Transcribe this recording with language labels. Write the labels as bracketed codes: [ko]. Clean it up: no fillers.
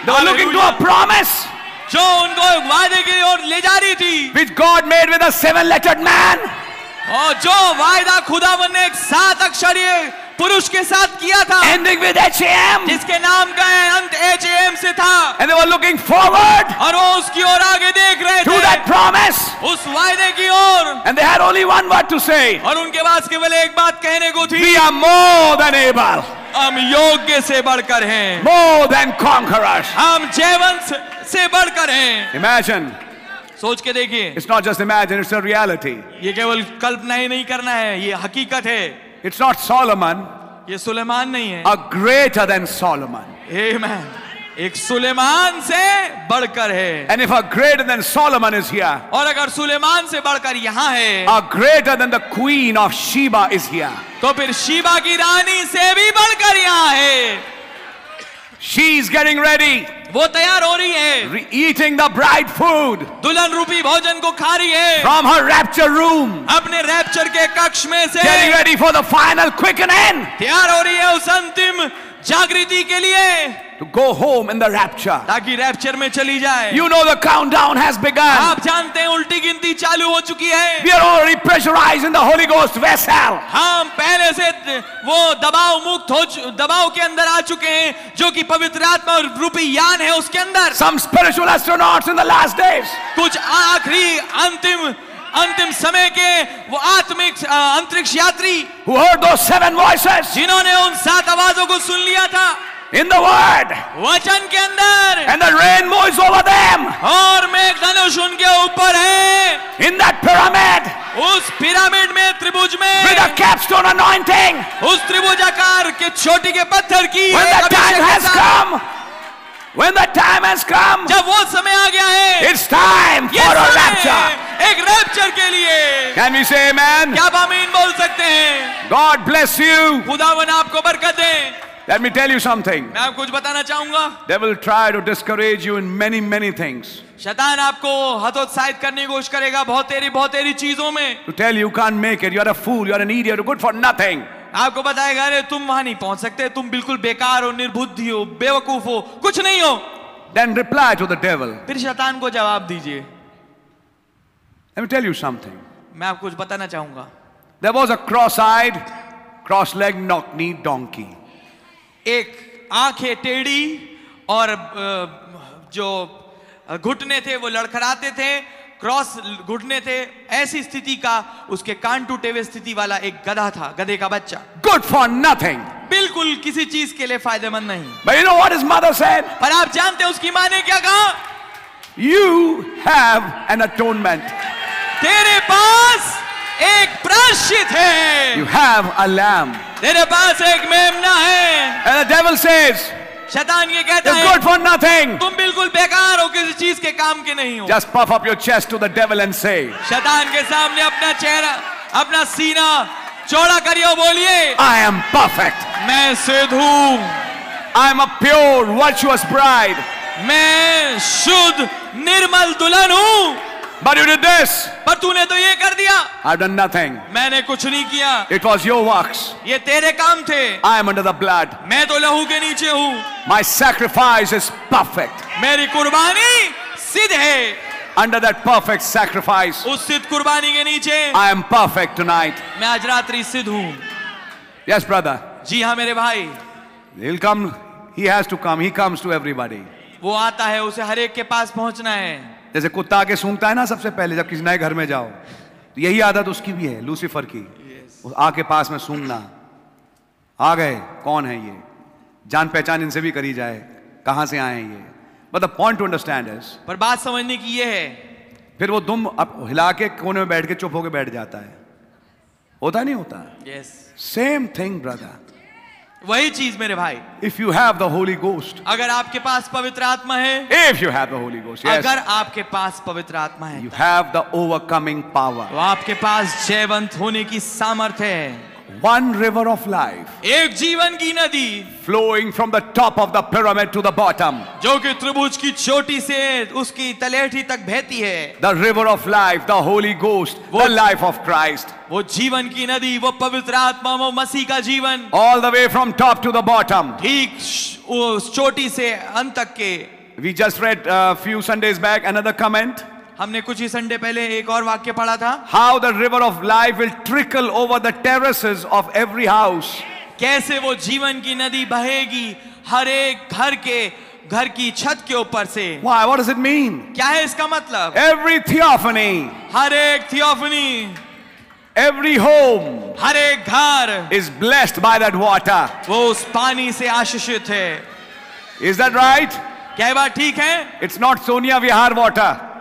[en] They were looking to a promise. [hi] जो उनको वायदे की ओर ले जा रही थी. [en] Which God made with a seven-lettered man. [hi] और जो वायदा खुदा ने एक सात अक्षरीय पुरुष के साथ किया था. [en] Ending with H-A-M. [hi] जिसके नाम का अंत H-A-M से था. [en] And they were looking forward. [hi] और वो उसकी ओर आगे देख रहे थे. [en] To that promise. [hi] उस वायदे की ओर. [en] And they had only one word to say. [hi] और उनके पास केवल एक बात कहने को थी. [en] We are more than able. [hi] हम योग्य से बढ़कर हैं. [en] More than conquerors. [hi] हम जयवंत से बढ़कर हैं. [en] Imagine. [hi] सोच के देखिए. [en] It's not just imagine, it's a reality. [hi] ये केवल कल्पना ही नहीं करना है, ये हकीकत है. [en] It's not Solomon. [hi] ये सुलेमान नहीं है. [en] A greater than Solomon. [hi] Amen. एक सुलेमान से बढ़कर है. [en] And if a greater than Solomon is here. [hi] और अगर सुलेमान से बढ़कर यहाँ है. [en] A greater than the queen of Sheba is here. [hi] तो फिर शीबा की रानी से भी बढ़कर यहाँ है. [en] She is getting ready. [hi] वो तैयार हो रही है. [en] Eating the bride food. [hi] दुल्हन रूपी भोजन को खा रही है. [en] From her rapture room. [hi] अपने रैप्चर के कक्ष में से. [en] Getting ready for the final quickening. [hi] तैयार हो रही है उस अंतिम जागृति के लिए. [en] To go home in the rapture. [hi] ताकि रैप्चर में चली जाए. [en] You know the countdown has begun. [hi] आप जानते हैं उल्टी गिनती चालू हो चुकी है. [en] We are already pressurized in the Holy Ghost vessel. [hi] हम पहले से वो दबाव मुक्त हो दबाव के अंदर आ चुके हैं जो कि पवित्र आत्मा और रूपी यान है उसके अंदर. [en] Some spiritual astronauts in the last days. [hi] कुछ आखिरी अंतिम अंतिम समय के वो आत्मिक अंतरिक्ष यात्री. [en] Who heard those seven voices. [hi] जिन्होंने उन सात आवाजों को सुन लिया था. [en] In the word. [hi] वचन के अंदर. [en] And the rainbow is over them. [hi] और मेघ धनुष उनके ऊपर है. [en] In that pyramid. [hi] उस पिरामिड में त्रिभुज में. [en] With a capstone anointing. [hi] उस त्रिभुजाकार के चोटी के पत्थर की. [en] When the time has come. When the time has come. [hi] जब वो समय आ गया है. [en] It's time for a rapture. [hi] एक रैप्चर के लिए. [en] Can we say amen? [hi] क्या हम आमीन बोल सकते हैं? [en] God bless you. [hi] खुदावन आपको बरकत दे. [en] Let me tell you something. [hi] मैं आपको कुछ बताना चाहूंगा. [en] Devil try to discourage you in many many things. [hi] शैतान आपको हतोत्साहित करने की कोशिश करेगा बहुत तेरी चीजों में. [en] To tell you can't make it, you are a fool, you are an idiot, you are good for nothing. [hi] आपको बताएगा अरे तुम वहां नहीं पहुंच सकते, तुम बिल्कुल बेकार हो, निर्बुद्धि हो, बेवकूफ हो, कुछ नहीं हो. [en] Then reply to the devil. [hi] फिर शैतान को जवाब दीजिए. [en] Let me tell you something. [hi] मैं आपको कुछ बताना चाहूंगा. [en] There was a cross-eyed, cross-legged, knock-kneed donkey. [hi] एक आंखें टेढ़ी और जो घुटने थे वो लड़खड़ाते थे, क्रॉस घुटने थे, ऐसी स्थिति का उसके कान टूटे हुए स्थिति वाला एक गधा था, गधे का बच्चा. [en] Good for nothing. [hi] बिल्कुल किसी चीज के लिए फायदेमंद नहीं. [en] But you know what his mother said? [hi] पर आप जानते हैं उसकी माँ ने क्या कहा. [en] You have an atonement. [hi] तेरे पास एक प्रायश्चित है. [en] You have a lamb. [hi] तेरे पास एक मेमना है. [en] And the devil says, [hi] शैतान ये कहता है, [en] good for nothing. [hi] तुम बिल्कुल बेकार हो, किसी चीज के काम के नहीं हो. [en] Just puff up your chest to the devil and say, [hi] शैतान के सामने अपना चेहरा, अपना सीना चौड़ा करियो, बोलिए, [en] I am perfect. [hi] मैं सिद्ध हूँ. [en] I am a pure, virtuous bride. [hi] मैं शुद्ध, निर्मल दुल्हन हूँ. [en] But you did this. [hi] पर तूने तो ये कर दिया. [en] I've done nothing. [hi] मैंने कुछ नहीं किया. [en] It was your works. [hi] ये तेरे काम थे. [en] I am under the blood. [hi] मैं तो लहू के नीचे हूँ. [en] My sacrifice is perfect. [hi] मेरी कुर्बानी सिद्ध है. [en] Under that perfect sacrifice. [hi] उस सिद्ध कुर्बानी के नीचे. [en] I am perfect tonight. [hi] मैं आज रात्रि सिद्ध हूँ. [en] Yes, brother. [hi] जी हाँ मेरे भाई. [en] He'll come. He has to come. He comes to everybody. [hi] वो आता है, उसे हर एक के पास पहुंचना है. जैसे कुत्ता आके सूंघता है ना सबसे पहले जब किसी नए घर में जाओ, तो यही आदत उसकी भी है, लूसीफर की. [en] yes. [hi] आके पास में सूंघना, आ गए कौन है ये, जान पहचान इनसे भी करी जाए, कहां से आए ये. [en] But the point to understand is, [hi] पर बात समझने की ये है, फिर वो दुम अब हिला के कोने में बैठ के चुप होके बैठ जाता है, होता नहीं होता? [en] Yes. Same thing, brother. [hi] वही चीज मेरे भाई. [en] If you have the Holy Ghost. [hi] अगर आपके पास पवित्र आत्मा है. [en] If you have the Holy Ghost. Yes. [hi] अगर आपके पास पवित्र आत्मा है. [en] You have the overcoming power. [hi] तो आपके पास जयवंत होने की सामर्थ्य है. [en] One river of life. [hi] एक जीवन की नदी. [en] Flowing from the top of the pyramid to the bottom. [hi] जो कि त्रिभुज की चोटी से उसकी तलहटी तक बहती है. [en] The river of life, the Holy Ghost, the life of Christ. [hi] वो जीवन की नदी, वो पवित्र आत्मा, वो मसीह का जीवन. [en] All the way from top to the bottom. [hi] ठीक उस चोटी से अंत तक के. [en] We just read a few Sundays back another comment. [hi] हमने कुछ ही संडे पहले एक और वाक्य पढ़ा था. [en] How the river of life will trickle over the terraces of every house. [hi] कैसे वो जीवन की नदी बहेगी हर एक घर के घर की छत के ऊपर से. [en] Why? What does it mean? [hi] क्या है इसका मतलब? [en] Every theophany. [hi] हर एक theophany. [en] Every home. [hi] हर एक घर. [en] Is blessed by that water. [hi] वो उस पानी से आशीषित है. [en] Is that right? [hi] क्या बात ठीक है? [en] It's not Sonia Vihar water.